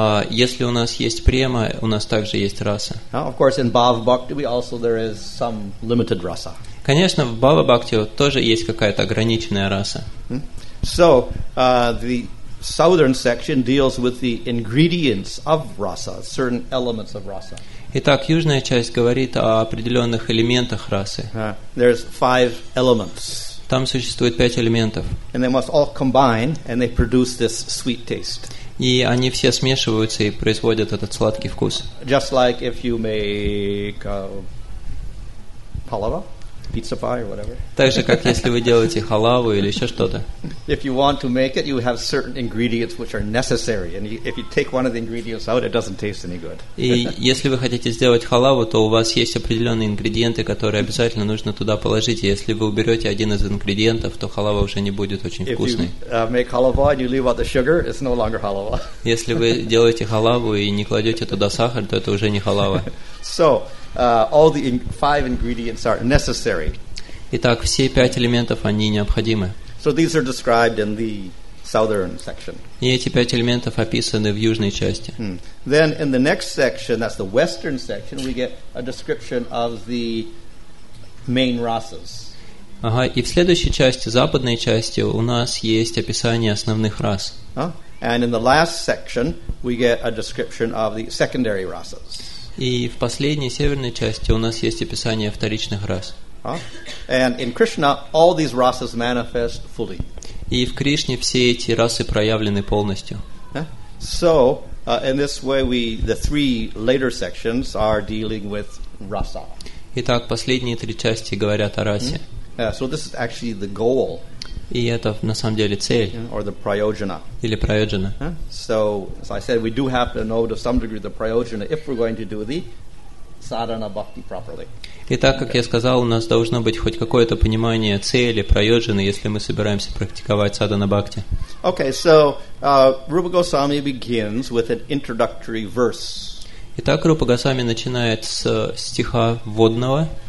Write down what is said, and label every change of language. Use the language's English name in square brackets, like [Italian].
[Russian] Если у нас есть према, у нас также есть раса. [English] Of course, in bhava bhakti, there is some limited rasa. [Russian] Конечно, в бхава бхакти тоже есть какая-то ограниченная раса. [English] So the southern section deals with the ingredients of rasa, certain elements of rasa. [Russian] Итак, южная часть говорит о определенных элементах расы. [English] There's five elements. [Russian] Там существует пять элементов. [English] And they must all combine, and they produce this sweet taste. [Russian] И они все смешиваются и производят этот сладкий вкус. [English] Just like if you make halava, pizza pie or whatever. [Russian] Так же, как если вы делаете халаву или еще что-то. [English] If you want to make it, you have certain ingredients which are necessary, and if you take one of the ingredients out, it doesn't taste any good. [Russian] И если вы хотите сделать халаву, то у вас есть определенные ингредиенты, которые обязательно нужно туда положить. Если вы уберете один из ингредиентов, то халава уже не будет очень вкусной. [English] If you make halava and you leave out the sugar, it's no longer halava. [Russian] Если вы делаете халаву и не кладете туда сахар, то это уже не халава. [English] So all the five ingredients are necessary. [Russian] Итак, все пять элементов они необходимы. [English] So these are described in the southern section. [Russian] И эти пять элементов описаны в южной части. [English] Then in the next section, that's the western section, we get a description of the main rasas. [Russian] Ага, и в следующей части, западной части, у нас есть описание основных рас. [English] And in the last section, we get a description of the secondary rasas. [Russian] И в последней северной части у нас есть описание вторичных рас. [English] And in Krishna, all these rasas manifest fully. [Russian] И в Кришне все эти расы проявлены полностью. [English] So in this way, the three later sections are dealing with rasa. [Russian] Итак, последние три части говорят о расе. [English] So this is actually the goal. [Russian] И это на самом деле цель. [English] Or the prayojana. [Russian] Или prayojana. [English] So, as I said, we do have to know to some degree the prayojana if we're going to do the sadhana bhakti properly. [Russian] Итак, как я сказал, у нас должно быть хоть какое-то понимание цели, prayojana, если мы собираемся практиковать sadhana bhakti. [English] Okay, so Rupa Goswami begins with an introductory verse. [Russian] Итак, Рупа Госвами начинает с стиха вводного.